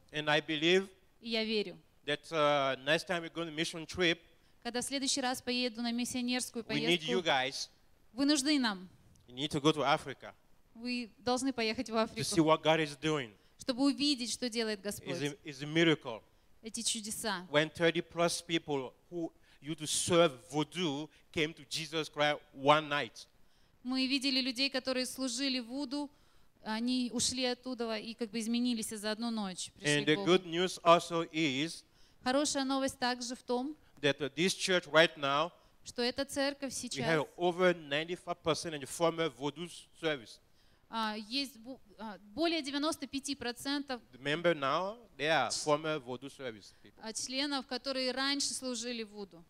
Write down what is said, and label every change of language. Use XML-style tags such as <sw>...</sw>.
<en>And I believe.</en> <ru>И я верю.</ru> <en>That next time we're going on a mission trip.</en> <ru>Когда в следующий раз поеду на миссионерскую поездку.</ru> <en>We need you guys.</en> <ru>Вы нужны нам.</ru> <en>You need to go to Africa.</en> <ru>Вы должны поехать в Африку.</ru> <en>To see what God is doing.</en> <ru>Чтобы увидеть, что делает Господь.</ru> <en>It's a miracle.</en> <ru>Эти чудеса.</ru> <en>When 30 plus people who you to serve voodoo came to Jesus Christ one night.</en> <ru>Мы видели людей, которые служили вуду, они ушли оттуда и как бы изменились за одну ночь.</ru> <en>And the good news also is.</en> <ru>Хорошая новость также в том.</ru> <en>That this church right now.</en> <ru>Что эта церковь сейчас.</ru> <en>We have over 95% of the former voodoo service.</en> <ru>Есть более 95%</ru> <en>member now, they are former voodoo service people.</en> <ru>Членов, которые раньше служили вуду.</ru>